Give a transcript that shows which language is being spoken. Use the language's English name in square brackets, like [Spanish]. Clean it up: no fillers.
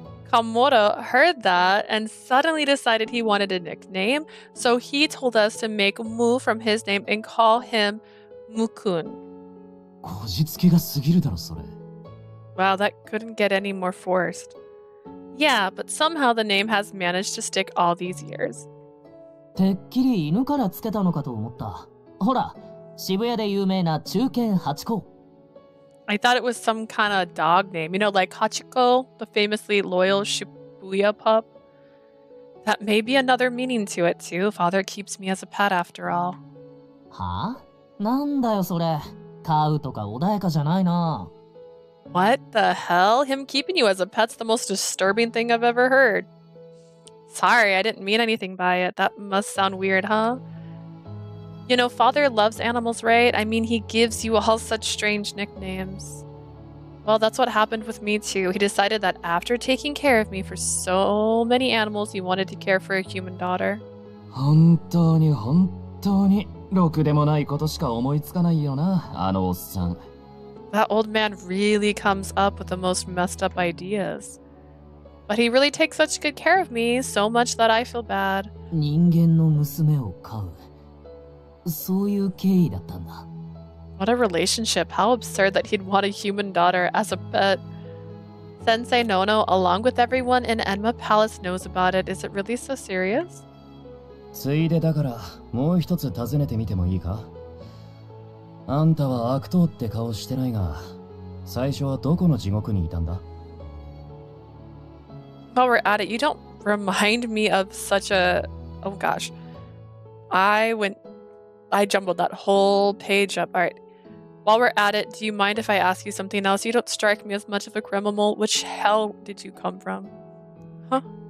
[English] Kamoto heard that and suddenly decided he wanted a nickname, so he told us to make Mu from his name and call him Mukun. Wow, that couldn't get any more forced. Yeah, but somehow the name has managed to stick all these years. [Japanese] てっきり犬からつけたのかと思った。ほら、渋谷で有名な忠犬ハチ公。 [English] I thought it was some kind of dog name, you know, like Hachiko, the famously loyal Shibuya pup. That may be another meaning to it too. Father keeps me as a pet after all. [Japanese] は?なんだよそれ。飼うとか穏やかじゃないな。 [English] What the hell? Him keeping you as a pet's the most disturbing thing I've ever heard. Sorry, I didn't mean anything by it. That must sound weird, huh? You know, father loves animals, right? I mean, he gives you all such strange nicknames. Well, that's what happened with me, too. He decided that after taking care of me for so many animals, he wanted to care for a human daughter. [Japanese] 本当に本当にろくでもないことしか思いつかないよな、あのおっさん。 [English] That old man really comes up with the most messed up ideas. But he really takes such good care of me, so much that I feel bad. [Japanese] 人間の娘を飼う。そういう経緯だったんだ。 [English] What a relationship. How absurd that he'd want a human daughter as a pet. Sensei Nono, along with everyone in Enma Palace, knows about it. Is it really so serious? [Japanese] ついでだから、もう一つ尋ねてみてもいいか?あんたは悪党って顔してないが、最初はどこの地獄にいたんだ? [English] While we're at it, you don't remind me of such a... Oh gosh. I jumbled that whole page up. Alright. While we're at it, do you mind if I ask you something else? You don't strike me as much of a criminal. Which hell did you come from? Huh?